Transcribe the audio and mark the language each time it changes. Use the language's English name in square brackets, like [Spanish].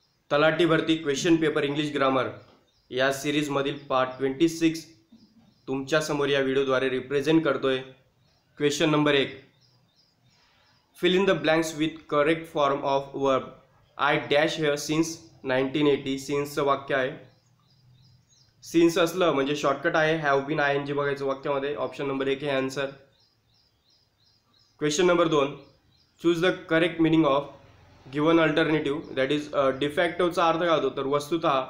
[Marathi] तलाठी भरती question paper English grammar या सीरीजमधील पार्ट 26 तुमच्यासमोर या व्हिडिओद्वारे रिप्रेझेंट करतो आहे। [English] Question number 1, fill in the blanks with correct form of verb. I dash here since 1980, [Marathi] सिन्सचं वाक्य आहे। सिन्स असलं म्हणजे शॉर्टकट आहे have been I N G बघायचं वाक्यामध्ये। [English] Option number 1 हे answer. Question number 2, choose the correct meaning of given alternative, that is [Marathi] डिफॅक्टोचा अर्थ काय होतो, तर वस्तुत।